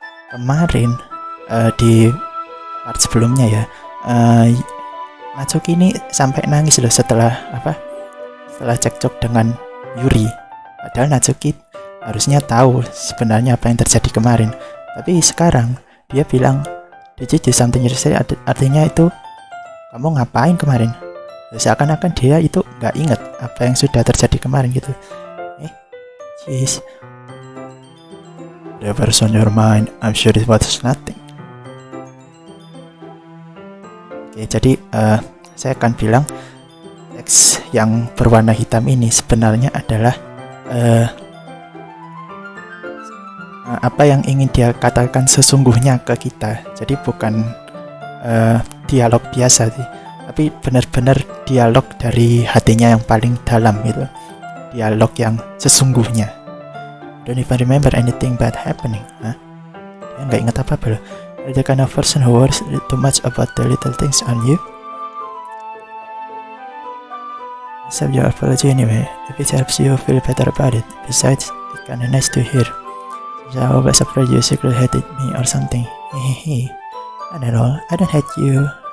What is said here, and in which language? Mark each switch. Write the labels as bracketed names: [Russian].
[Indonesian] Kemarin, di part sebelumnya ya, Natsuki ini sampai nangis loh setelah cekcok dengan Yuri. Padahal Natsuki harusnya tahu sebenarnya apa yang terjadi kemarin. Tapi sekarang, dia bilang, [English] did you do something yesterday? [Indonesian] Artinya itu, kamu ngapain kemarin? Seakan-akan dia itu nggak ingat apa yang sudah terjadi kemarin gitu. [English] Jeez. Whatever's on your mind, I'm sure it was nothing. [Indonesian] Oke, jadi saya akan bilang teks yang berwarna hitam ini sebenarnya adalah apa yang ingin dia katakan sesungguhnya ke kita. Jadi bukan dialog biasa sih. Tapi benar-benar dialog dari hatinya yang paling dalam gitu. Dialog yang sesungguhnya. [English] Don't even remember anything bad happening, huh? [Indonesian] Dia nggak ingat apa-apa loh. [English] You're the kind of person who worries too much about the little things, aren't you? Accept your apology anyway. If it helps you feel better about it. Besides, it's kinda nice to hear. Since I always afraid you secretly hated me or something. Hehehe. Not at all. I don't hate you.